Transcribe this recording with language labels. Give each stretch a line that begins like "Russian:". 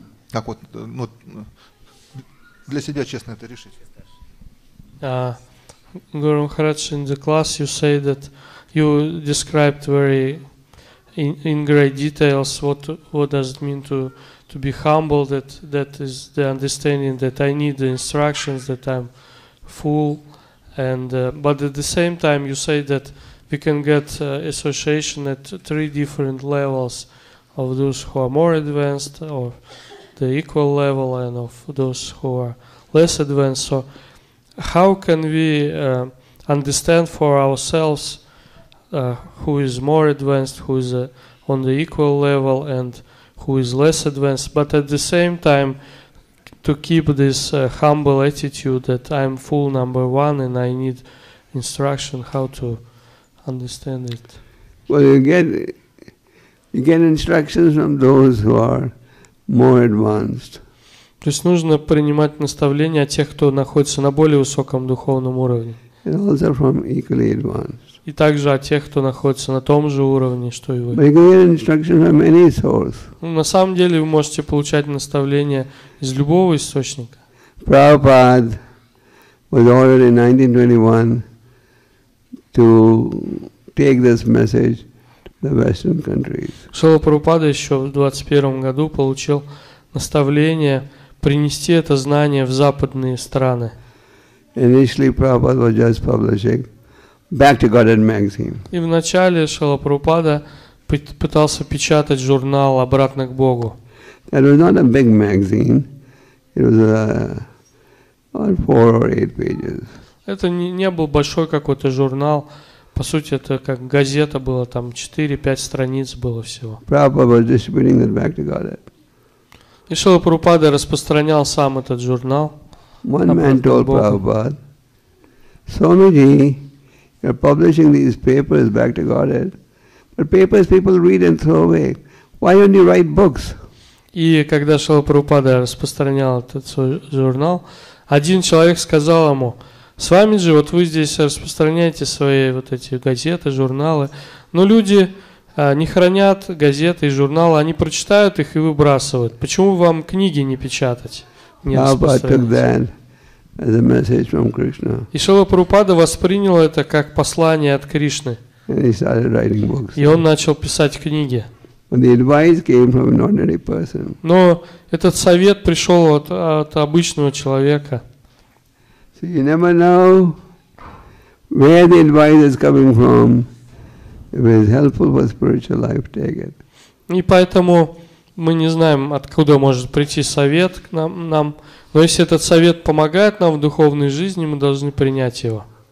Russian: Как вот для себя честно это решить.
English: Гуру Махарадж, in the class you say that you described very in great details what does it mean to be humble, that is the understanding that I need the instructions, that I'm full, but at the same time you say that we can get association at three different levels of those who are more advanced or the equal level and of those who are less advanced. So how can we understand for ourselves who is more advanced, who is on the equal level, and who is less advanced, but at the same time to keep this humble attitude that I'm full number one and I need instruction how to understand it? Well, you get instructions from those who are more advanced.
Russian: То есть нужно принимать наставления от тех, кто находится на более высоком духовном уровне.
English: And also from equally advanced.
Russian: И также о тех, кто находится на том же уровне, что и вы.
English: But you can get instructions from any source.
Russian: На самом деле вы можете получать наставления из любого источника.
English: Prabhupada was ordered in 1921 to take this message to the Western countries.
Russian: Шрила Прабхупада еще в 21 году получил наставление принести это знание в западные страны.
English: Initially, Prabhupada was just publishing Back to Godhead magazine.
Russian: И вначале Шрила Прабхупада пытался печатать журнал «Обратно к Богу».
English: It was not a big magazine. It was four or eight pages.
Russian: Это не был большой какой-то журнал. По сути, это как газета была, там 4-5 страниц было всего.
English: Prabhupada was distributing it back to Godhead.
Russian: И Шрила Прабхупада распространял сам этот журнал.
English: One man told Prabhupada, Swamiji, you're publishing these papers back to Godhead, but papers people read and throw away. Why don't you write books?
Russian: И когда Шрила Прабхупада распространял этот свой журнал, один человек сказал ему: «Свамиджи, вот вы здесь распространяете свои вот эти газеты, журналы, но люди не хранят газеты и журналы, они прочитают их и выбрасывают. Почему вам книги не печатать, не распространять?»
English: As a message from Krishna.
Russian: И Шрила Прабхупада воспринял это как послание от Кришны.
English: And he started writing books.
Russian: И он начал писать книги.
English: But the advice came from an ordinary person.
Russian: Но этот совет пришел от обычного человека.
English: So you never know where the advice is coming from. If it's helpful for spiritual life, take it.
Russian: И поэтому мы не знаем, откуда может прийти совет к нам. Но если этот совет помогает нам в духовной жизни, мы должны принять его.